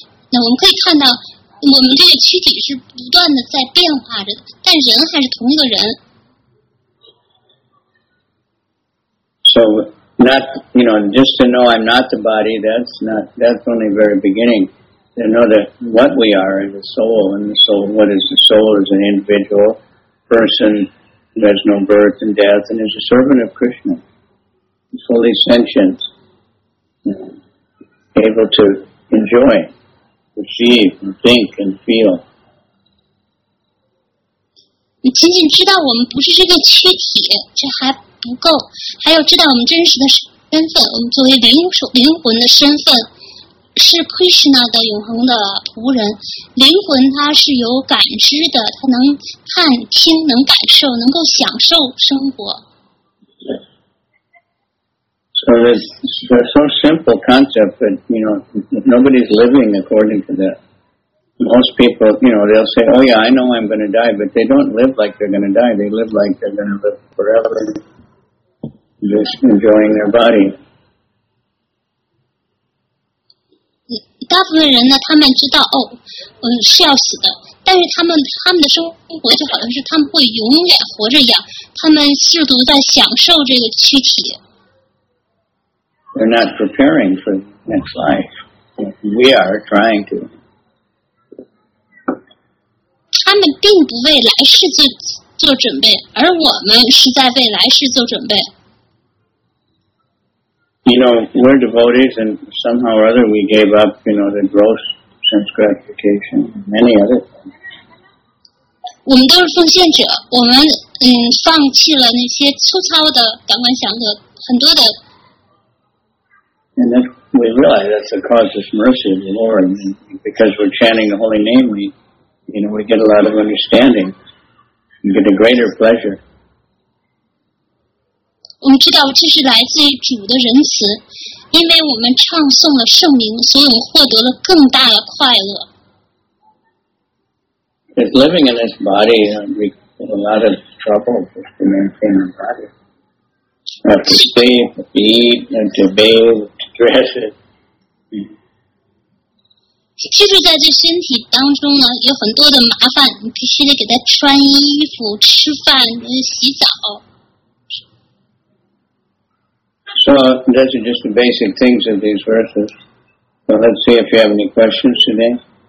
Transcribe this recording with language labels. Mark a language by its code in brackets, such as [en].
[zh] 那我们可以看到，我们这个躯体是不断的在变化着，但人还是同一个人。 [en] So not, you know, just to know I'm not the body, that's only the very beginning. To know that what we are is a soul, and the soul, what is the soul is an individual person who has no birth and death and is a servant of Krishna. He's fully sentient, able to enjoy, perceive, and think and feel. [zh] 你仅仅知道我们不是这个躯体，这还不够，还要知道我们真实的身份，我们作为灵魂的身份。是 Krishna 的永恒的仆人，灵魂它是有感知的，它能看、听、能感受、能够享受生活。 [en] So it's so simple concept, but you know nobody's living according to that. Most people, you know, they'll say, "Oh yeah, I know I'm going to die," but they don't live like they're going to die. They live like they're going to live forever, just enjoying their body. [zh] 大部分人呢，他们知道哦，是要死的，但是他们的生活就好像是他们会永远活着一样，他们试图在享受这个躯体。 [en] They're not preparing for next life. We are trying to. [zh] 他们并不为来世做准备，而我们是在为来世做准备。 [en] You know, we're devotees and somehow or other we gave up, you know, the gross sense gratification and many other things. [zh] 我们都是奉献者，我们放弃了那些粗糙的感官享乐，很多的。 [en] And then we realize that's the cause of mercy of the Lord. And because we're chanting the holy name, we get a lot of understanding. We get a greater pleasure. [zh] 我们知道这是来自于主的仁慈，因为我们唱诵了圣名，所以我们获得了更大的快乐。 [en] It's living in this body, we get a lot of trouble just to maintain our body. We have to sleep, to eat, and to bathe, to dress it. [zh] 居住在这身体当中呢，有很多的麻烦，你必须得给他穿衣服、吃饭、洗澡。 [en] So, those are just the basic things of these verses. So, let's see if you have any questions today.